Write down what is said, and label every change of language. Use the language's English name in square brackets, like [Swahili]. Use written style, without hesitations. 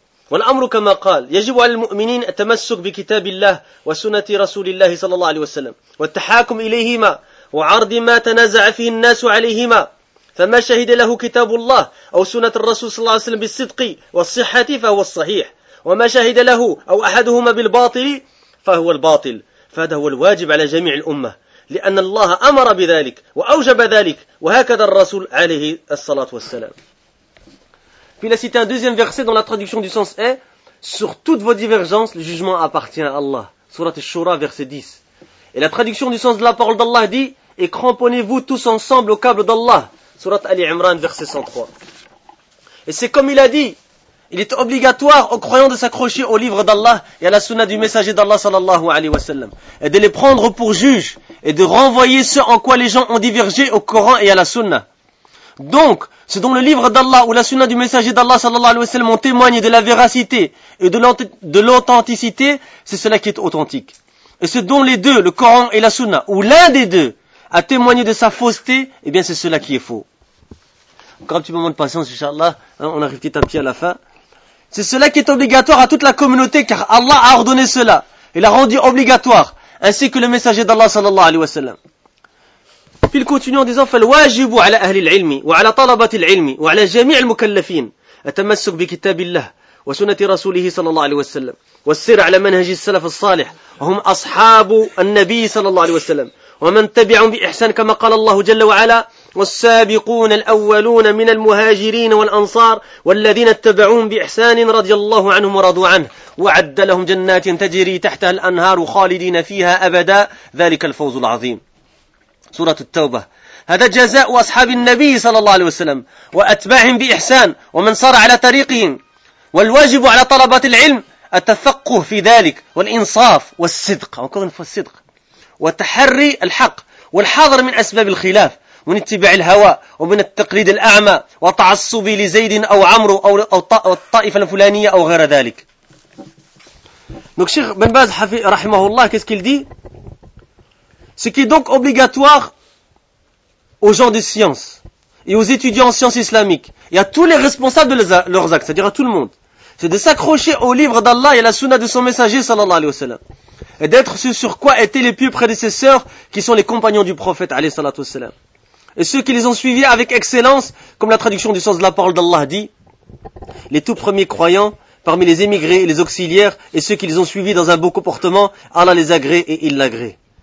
[Arabic] والأمر كما قال يجب على المؤمنين التمسك بكتاب الله وسنة رسول الله صلى الله عليه وسلم والتحاكم إليهما وعرض ما تنازع فيه الناس عليهما فما شهد له كتاب الله أو سنة الرسول صلى الله عليه وسلم بالصدق والصحة فهو الصحيح وما شهد له أو أحدهما بالباطل فهو الباطل فهذا هو الواجب على جميع الأمة لأن الله أمر بذلك وأوجب ذلك وهكذا الرسول عليه الصلاة والسلام. [French] Puis il a cité un deuxième verset dont la traduction du sens est « Sur toutes vos divergences, le jugement appartient à Allah. » Sourate Ash-Shura, verset 10. Et la traduction du sens de la parole d'Allah dit « Et cramponnez-vous tous ensemble au câble d'Allah. » Sourate Ali Imran, verset 103. Et c'est comme il a dit, il est obligatoire aux croyants de s'accrocher au livre d'Allah et à la sunna du messager d'Allah, sallallahu alayhi wa sallam, et de les prendre pour juges et de renvoyer ce en quoi les gens ont divergé au Coran et à la sunna. Donc, ce dont le livre d'Allah ou la sunna du messager d'Allah sallallahu alayhi wa sallam en témoigne de la véracité et de l'authenticité, c'est cela qui est authentique. Et ce dont les deux, le Coran et la sunna, ou l'un des deux, a témoigné de sa fausseté, eh bien c'est cela qui est faux. Encore un petit moment de patience, inchallah, hein, on arrive petit à petit à la fin. C'est cela qui est obligatoire à toute la communauté, car Allah a ordonné cela. Il a rendu obligatoire, ainsi que le messager d'Allah sallallahu alayhi wa sallam. Puis il continue en disant [Arabic] « فالواجب على أهل العلم وعلى طلبة العلم وعلى جميع المكلفين التمسك بكتاب الله وسنة رسوله صلى الله عليه وسلم والسير على منهج السلف الصالح وهم أصحاب النبي صلى الله عليه وسلم ومن تبعهم بإحسان كما قال الله جل وعلا والسابقون الأولون من المهاجرين والأنصار والذين اتبعوهم بإحسان رضي الله عنهم ورضوا عنه وعد لهم جنات تجري تحتها الأنهار خالدين فيها أبدا ذلك الفوز العظيم. سورة التوبة. هذا جزاء أصحاب النبي صلى الله عليه وسلم وأتباعهم بإحسان ومن صار على طريقهم والواجب على طلبة العلم التفقه في ذلك والإنصاف والصدق والصدق وتحري الحق والحذر من أسباب الخلاف من اتباع الهوى ومن التقليد الأعمى وتعصبي لزيد أو عمرو أو الطائفة الفلانية أو غير ذلك. دونك شيخ بن باز رحمه الله كيس كيل دي. [French] Ce qui est donc obligatoire aux gens de science et aux étudiants en sciences islamiques et à tous les responsables de leurs actes, c'est-à-dire à tout le monde, c'est de s'accrocher au livre d'Allah et à la sunna de son messager, sallallahu alayhi wa sallam, et d'être ce sur quoi étaient les pieux prédécesseurs qui sont les compagnons du prophète, alayhi sallallahu alayhi wa sallam, et ceux qui les ont suivis avec excellence, comme la traduction du sens de la parole d'Allah dit, les tout premiers croyants parmi les émigrés et les auxiliaires et ceux qui les ont suivis dans un beau comportement, Allah les agrée et il l'agrée.